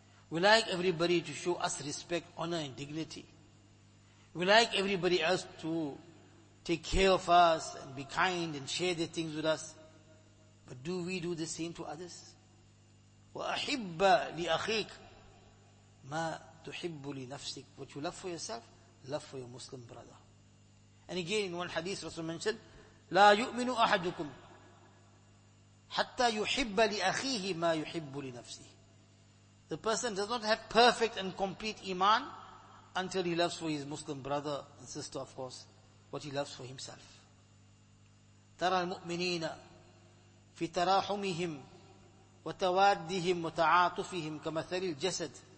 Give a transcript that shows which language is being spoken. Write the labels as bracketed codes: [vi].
[en] We like everybody to show us respect, honor and dignity. We like everybody else to take care of us and be kind and share their things with us. But do we do the same to others? [ar] وَأَحِبَّ لِأَخِيكَ مَا تُحِبُّ لِنَفْسِكَ. [en] What you love for yourself, love for your Muslim brother. And again, in one hadith, Rasul mentioned, [ar] لَا يُؤْمِنُ أَحَدُكُمْ حَتَّى يُحِبَّ لِأَخِيهِ مَا يُحِبُّ لِنَفْسِهِ. [en] The person does not have perfect and complete iman until he loves for his Muslim brother and sister, of course, what he loves for himself. [ar] تَرَى الْمُؤْمِنِينَ فِي تَرَاحُمِهِمْ وَتَوَادِّهِمْ وَتَعَاطُفِهِمْ كَمَثَلِ الْجَسَدِ.